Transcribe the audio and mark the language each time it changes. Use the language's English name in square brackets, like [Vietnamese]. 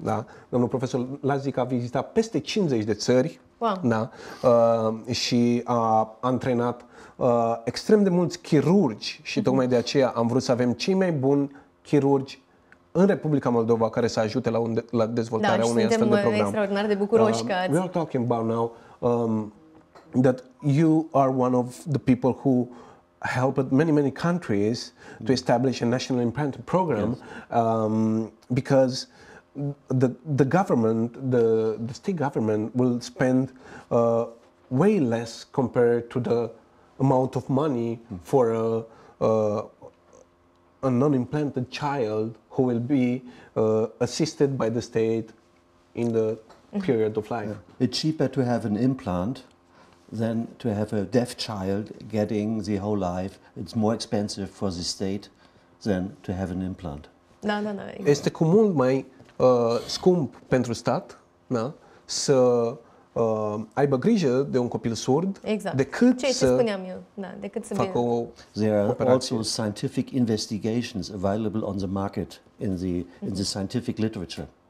[Romanian] Da? Domnul profesor Lazic a vizitat peste 50 de țări. Wow. Da? Și a antrenat extrem de mulți chirurgi și tocmai de aceea am vrut să avem cei mai buni chirurgi în Republica Moldova care să ajute la, la dezvoltarea unui astfel de program. Da, suntem extraordinar de bucuroși că [English] we are talking about now that you are one of the people who helped many, many countries to establish a national implant program. Yes. Because the government, the state government will spend way less compared to the amount of money for a non-implanted child who will be assisted by the state in the period of life. Yeah. It's cheaper to have an implant than to have a deaf child getting the whole life. It's more expensive for the state than to have an implant. [Romanian] Da, da, da. Este cu mult mai scump pentru stat, na, să aibă grijă de un copil surd, exact. Decât ce spuneam eu, da, decât să facă o [English] there are [Romanian] operație. [English] Also scientific investigations available on the market in the scientific literature.